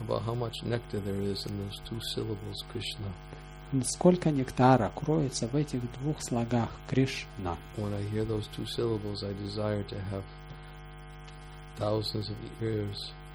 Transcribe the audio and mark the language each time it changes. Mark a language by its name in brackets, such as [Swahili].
[English] About how much nectar there is in those two syllables, Krishna. [Russian] Сколько нектара кроется в этих двух слогах Кришна? [English] When I hear those two syllables, I desire to have thousands of ears.